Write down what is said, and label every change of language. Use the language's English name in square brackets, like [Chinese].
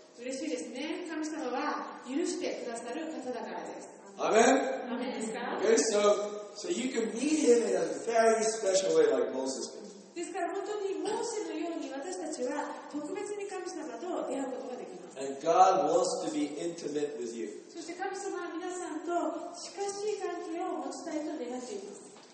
[Japanese] 嬉しいですね。神様は許してくださる方だからです。 [English] Amen. [Japanese] Amen ですか [English] ？Okay, so you can meet Him in a very special way, like Moses did. [Japanese] ですから本当にモーセのように私たちは特別に神様と出会うことができます。 [English] And God wants to be intimate with you. [Japanese] そして神様は皆さんと近しい関係を持ちたいと願っています。